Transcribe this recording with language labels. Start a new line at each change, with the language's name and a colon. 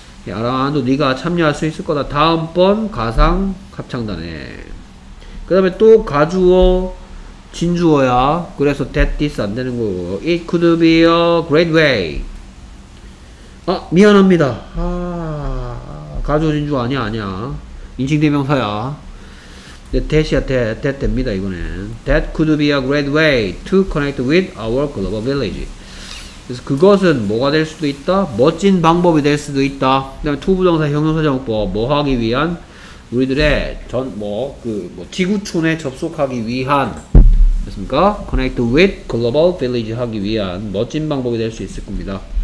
Korean: 아라도 네가 참여할 수 있을 거다. 다음번 가상 합창단에. 그 다음에 또 가주어, 진주어야. 그래서 that, this 안 되는 거고.
English: It could be a great way.
Korean: 아, 미안합니다. 아, 가주어, 진주어 아니야, 아니야. 인칭대명사야. 네, that이야, that 됩니다, 이거는.
English: That could be a great way to connect with our global village.
Korean: 그래서 그것은 뭐가 될 수도 있다? 멋진 방법이 될 수도 있다. 그 다음에 to 부정사 형용사정법. 뭐 하기 위한? 우리들의 전, 뭐, 그, 뭐, 지구촌에 접속하기 위한. 됐습니까?
English: connect with global village
Korean: 하기 위한 멋진 방법이 될 수 있을 겁니다.